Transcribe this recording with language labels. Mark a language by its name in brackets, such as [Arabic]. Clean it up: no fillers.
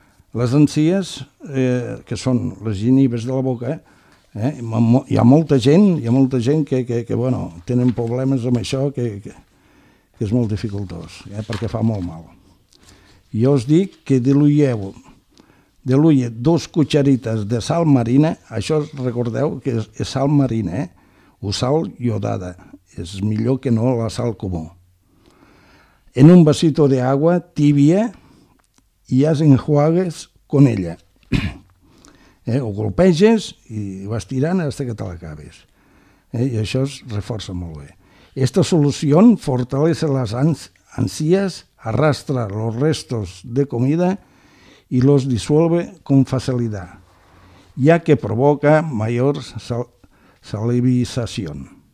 [Catalan] Les encies, que són les gínives de la boca, hi ha molta gent que bueno, tenen problemes amb això, que és molt dificultós, perquè fa molt mal. Jo us dic que diluïeu dues cucharites de sal marina, això recordeu que és sal marina, o sal iodada, és millor que no la sal comú. [Spanish] En un vasito de agua tibia y haz enjuagues con ella. [Catalan] Ho colpeges i ho vas tirant fins que te l'acabes. I això es reforça molt bé. [Spanish] Esta solució fortalece les encies, arrastra los restos de comida y los disuelve con facilidad, ya que provoca mayor salivización.